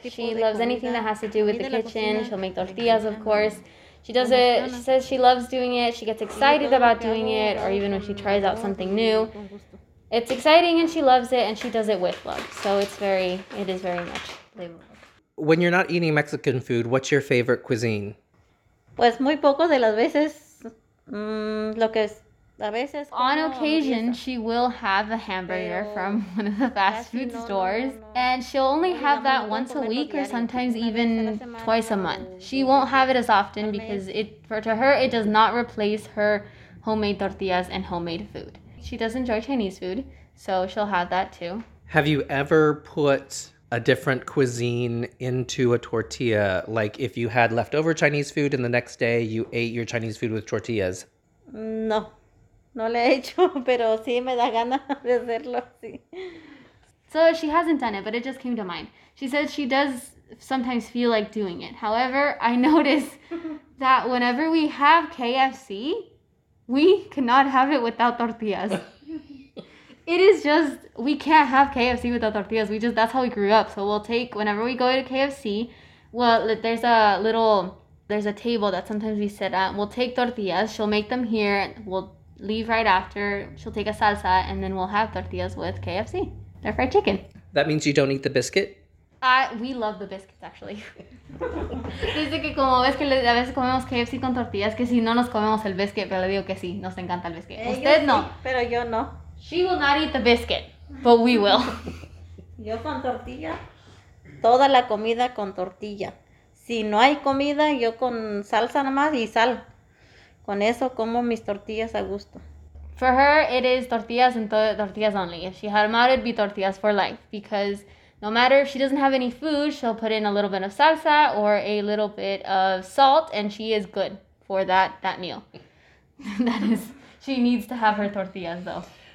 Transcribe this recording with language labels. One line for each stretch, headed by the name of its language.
English: She loves anything that has to do with the kitchen. She'll make tortillas, of course. She does it. She says she loves doing it. She gets excited about doing it, or even when she tries out something new. It's exciting, and she loves it, and she does it with love. So it is very much labor. When you're not eating Mexican food, what's your favorite cuisine?
Spanish: Pues muy poco de las veces lo que es.
English: On occasion, she will have a hamburger from one of the fast food stores, and she'll only have that once a week or sometimes even twice a month. She won't have it as often because to her, it does not replace her homemade tortillas and homemade food. She does enjoy Chinese food, so she'll have that too. Have you ever put a different cuisine into a tortilla? Like if you had leftover Chinese food and the next day you ate your Chinese food with tortillas?
Spanish: No. No le he hecho, pero sí me da ganas de hacerlo, sí.
English: So she hasn't done it, but it just came to mind. She says she does sometimes feel like doing it. However, I notice that whenever we have KFC, we cannot have it without tortillas. It is just, we can't have KFC without tortillas. That's how we grew up. So we'll take, whenever we go to KFC, well, there's a table that sometimes we sit at. We'll take tortillas. She'll make them here. We'll leave right after, she'll take a salsa, and then we'll have tortillas with KFC. They're fried chicken. That means you don't eat the biscuit? We love the biscuits, actually.
Spanish: Dice que como ves que a veces comemos KFC con tortillas, que si no nos comemos el biscuit, pero le digo que sí, nos encanta el biscuit. Usted no. Pero yo no.
English: She will not eat the biscuit, but we will.
Spanish: Yo con tortilla, toda la comida con tortilla. Si no hay comida, yo con salsa nomás y sal. Con eso como mis tortillas a gusto.
English: For her, it is tortillas and tortillas only. If she had them out, it'd be tortillas for life. Because no matter if she doesn't have any food, she'll put in a little bit of salsa or a little bit of salt, and she is good for that meal. That is, she needs to have her tortillas, though.